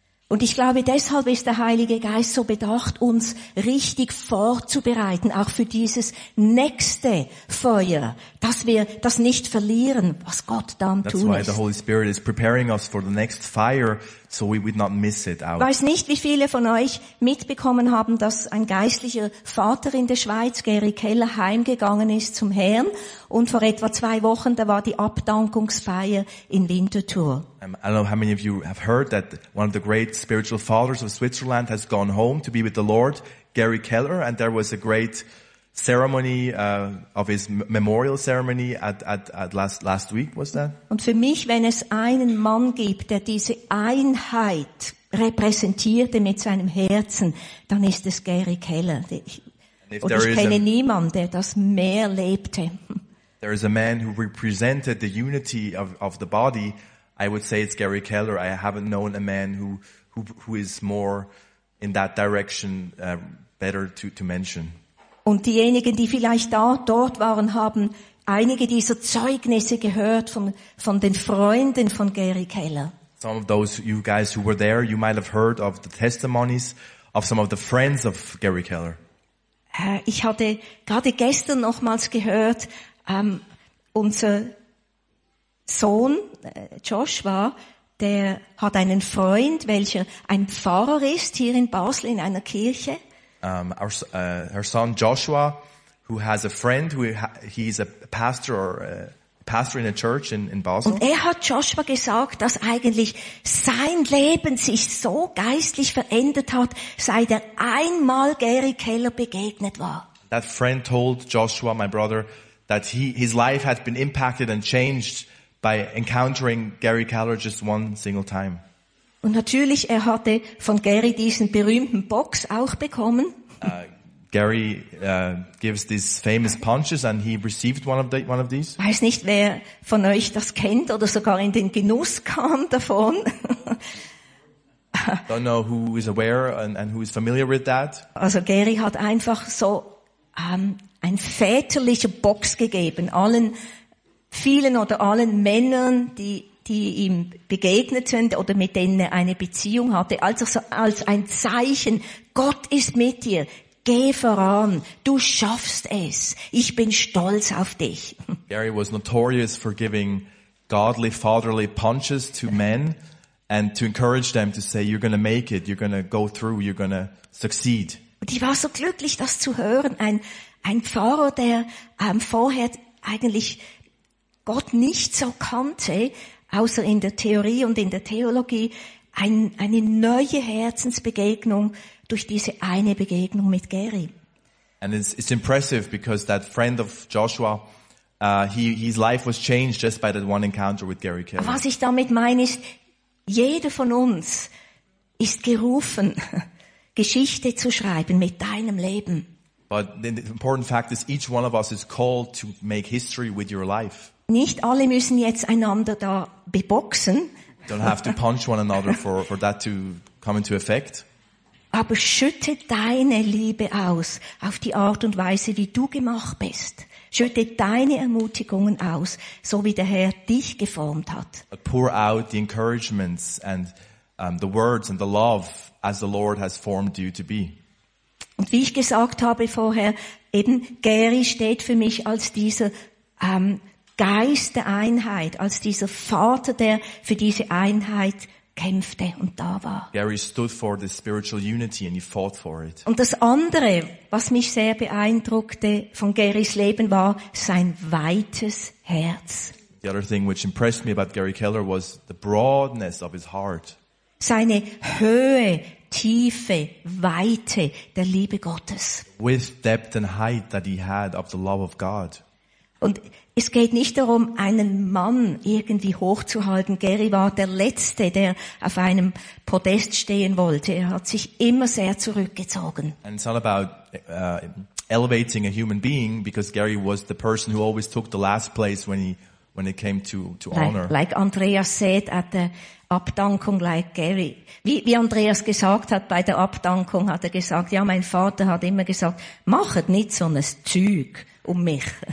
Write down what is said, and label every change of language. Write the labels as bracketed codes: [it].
[de] Und ich glaube, deshalb ist der Heilige Geist so bedacht, uns richtig vorzubereiten, auch für dieses nächste Feuer, dass wir das nicht verlieren, was Gott dann tun ist. [en] That's why the Holy Spirit is preparing us for the next fire so we would not miss it out. [de] Ich weiß nicht, wie viele von euch mitbekommen haben, dass ein geistlicher Vater in der Schweiz, Gary Keller, heimgegangen ist zum Herrn. Und vor etwa 2 Wochen, da war die Abdankungsfeier in Winterthur. [en] I don't know how many of you have heard that one of the great spiritual fathers of Switzerland has gone home to be with the Lord, Gary Keller, and there was a great ceremony of his memorial ceremony at last week, was that? [de] Und für mich, wenn es einen Mann gibt, der diese Einheit repräsentierte mit seinem Herzen, dann ist es Gary Keller. Ich kenne niemanden, der das mehr lebte. [en] There is a man who represented the unity of the body. I would say it's Gary Keller. I haven't known a man who is more in that direction, better to mention. [de] Und diejenigen, die vielleicht da dort waren, haben einige dieser Zeugnisse gehört von den Freunden von Gary Keller. [en] Some of those you guys who were there, you might have heard of the testimonies of some of the friends of Gary Keller. [de] Ich hatte gerade gestern nochmals gehört, unser Sohn Joshua, der hat einen Freund, welcher ein Pfarrer ist hier in Basel in einer Kirche. [en] Her son Joshua, who has a friend he's a pastor or a pastor in a church in Basel. [de] Und er hat Joshua gesagt, dass eigentlich sein Leben sich so geistlich verändert hat, seit er einmal Gary Keller begegnet war. [en] That friend told Joshua, my brother, that his life had been impacted and changed by encountering Gary Keller just one single time. [de] Und natürlich, er hatte von Gary diesen berühmten Box auch bekommen. [en] Gary gives these famous punches and he received one of these. [de] Ich weiß nicht, wer von euch das kennt oder sogar in den Genuss kam davon. [en] Don't know who is aware and who is familiar with that. [de] Also Gary hat einfach so ein väterlicher Box gegeben allen vielen oder allen Männern, die ihm begegnet sind oder mit denen er eine Beziehung hatte, als ein Zeichen, Gott ist mit dir, geh voran, du schaffst es, ich bin stolz auf dich. [en] Gary was notorious for giving godly, fatherly punches to men and to encourage them to say, you're going to make it, you're going to go through, you're going to succeed. [de] Und ich war so glücklich, das zu hören, ein Pfarrer, der vorher eigentlich Gott nicht so kannte, außer in der Theorie und in der Theologie, eine neue Herzensbegegnung durch diese eine Begegnung mit Gary. [en] And it's impressive because that friend of Joshua, his life was changed just by that one encounter with Gary Keller. [de] Was ich damit meine ist, jeder von uns ist gerufen, Geschichte zu schreiben mit deinem Leben. [en] But the important fact is, each one of us is called to make history with your life. [de] Nicht alle müssen jetzt einander da beboxen. [en] Don't have to punch one another for that to come into effect. [de] Aber schütte deine Liebe aus auf die Art und Weise, wie du gemacht bist. Schütte deine Ermutigungen aus, so wie der Herr dich geformt hat. [en] But pour out the encouragements and the words and the love as the Lord has formed you to be. [de] Und wie ich gesagt habe vorher, eben Gary steht für mich als dieser Geist der Einheit, als dieser Vater, der für diese Einheit kämpfte und da war. [en] Gary stood for the spiritual unity and he fought for it. [de] Und das andere, was mich sehr beeindruckte von Garys Leben, war sein weites Herz. [en] The other thing which impressed me about Gary Keller was the broadness of his heart. [de] Seine Höhe, Tiefe, Weite der Liebe Gottes. [en] With depth and height that he had of the love of God. [de] Und es geht nicht darum, einen Mann irgendwie hochzuhalten. Gary war der Letzte, der auf einem Podest stehen wollte. Er hat sich immer sehr zurückgezogen. [en] And it's not about elevating a human being, because Gary was the person who always took the last place when it came to honor. Like Andreas said at the Abdankung, like Gary. [de] Wie Andreas gesagt hat bei der Abdankung, hat er gesagt, ja, mein Vater hat immer gesagt, machet nicht so ein Zeug um mich.